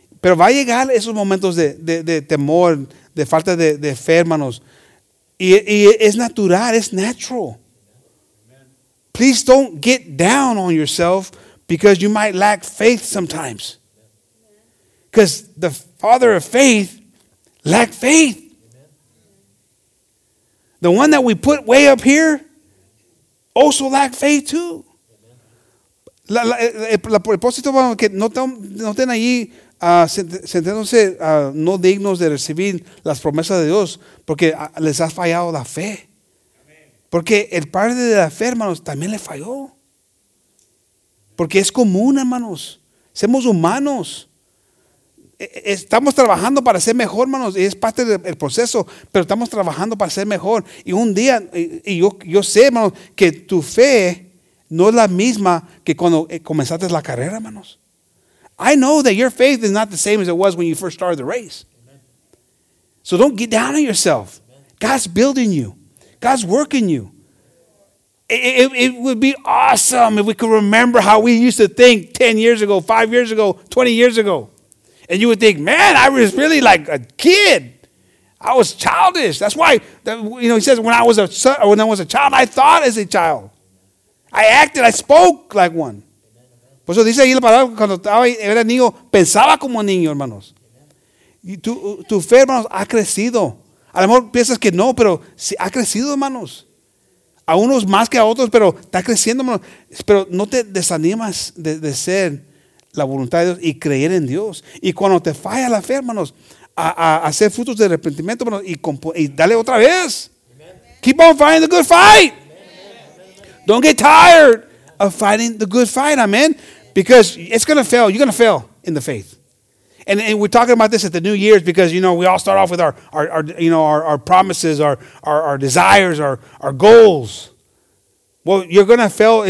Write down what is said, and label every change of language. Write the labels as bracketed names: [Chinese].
[Spanish] Pero va a llegar esos momentos de temor, de falta de fe, hermanos. Y es natural. [English] It's natural. Please don't get down on yourself because you might lack faith sometimes. Because the father of faith lacked faith. The one that we put way up here also lacked faith too. [Spanish] El propósito, que no estén ahí sentándose no dignos de recibir las promesas de Dios porque les ha fallado la fe. Porque el padre de la fe, hermanos, también le falló. Porque es común, hermanos. Somos humanos. Estamos trabajando para ser mejor, hermanos. Es parte del proceso, pero estamos trabajando para ser mejor. Y un día, y yo sé, hermanos, que tu fe no es la misma que cuando comenzaste la carrera, hermanos. [English] I know that your faith is not the same as it was when you first started the race. So don't get down on yourself. God's building you. God's working you. It would be awesome if we could remember how we used to think 10 years ago, 5 years ago, 20 years ago. And you would think, man, I was really like a kid. I was childish. That's why, you know, he says, when I was a child, I thought as a child. I acted, I spoke like one. [Spanish] Por eso dice ahí la palabra, cuando era niño, pensaba como niño, hermanos. Tu fe, hermanos, ha crecido. A lo mejor piensas que no, pero sí, ha crecido, hermanos. A unos más que a otros, pero está creciendo, hermanos. Pero no te desanimas de ser la voluntad de Dios y creer en Dios. Y cuando te falla la fe, hermanos, a hacer frutos de arrepentimiento, hermanos, y dale otra vez. [English] Amen. Keep on fighting the good fight. Amen. Don't get tired of fighting the good fight, amen. Because it's going to fail. You're going to fail in the faith. And we're talking about this at the New Year's because, you know, we all start off with our you know, our promises, our desires, our goals. Well, you're going to fail.